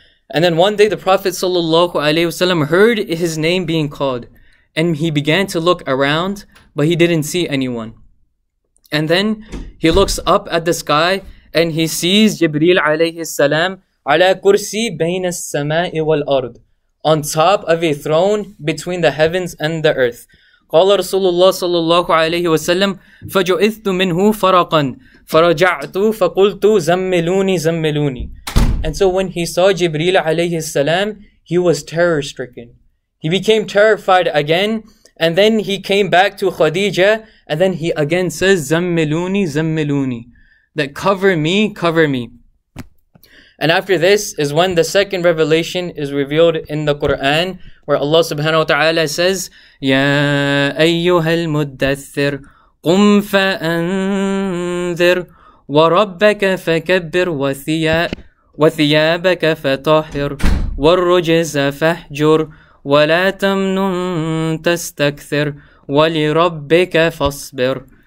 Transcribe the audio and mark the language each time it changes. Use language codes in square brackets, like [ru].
[en] And then one day the Prophet sallallahu alaihi wasallam heard his name being called and he began to look around, but he didn't see anyone. And then he looks up at the sky and he sees Jibril alaihi salam, [ar] عَلَىٰ كُرْسِي بَيْنَ السَّمَاءِ وَالْأَرْضِ, [en] on top of a throne between the heavens and the earth. [ar] قال رسول الله صلى الله عليه وسلم فجئت منه فرقا فرجعت فقلت زملوني زملوني. [en] And so when he saw Jibril alayhi salam, he was terror stricken. He became terrified again, and then he came back to Khadijah, and then he again says [ar] zammiluni zammiluni, [en] that cover me, cover me. And after this is when the second revelation is revealed in the Quran, where Allah subhanahu wa ta'ala says [ar] ya ayyuhal mudaththir qum fa'anzir wa rabbaka fakabbir wa thiya وثيابك فطهر والرجز فاحجر ولا تمنن تستكثر ولربك فاصبر.